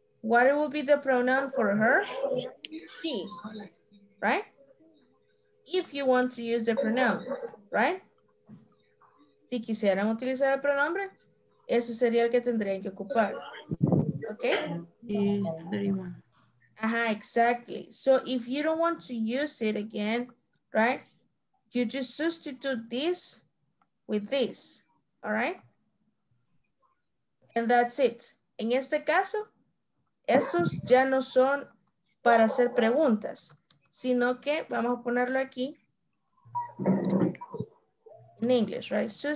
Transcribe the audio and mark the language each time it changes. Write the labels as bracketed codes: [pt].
[en] What will be the pronoun for her? She, right? if you want to use the pronoun, right? [es] Si quisieran utilizar el pronombre, ese sería el que tendrían que ocupar. [en] Okay? Uh-huh, exactly. So if you don't want to use it again, right? You just substitute this with this, all right? And that's it. [es] En este caso, estos ya no son para hacer preguntas, sino que vamos a ponerlo aquí [en] in English, right?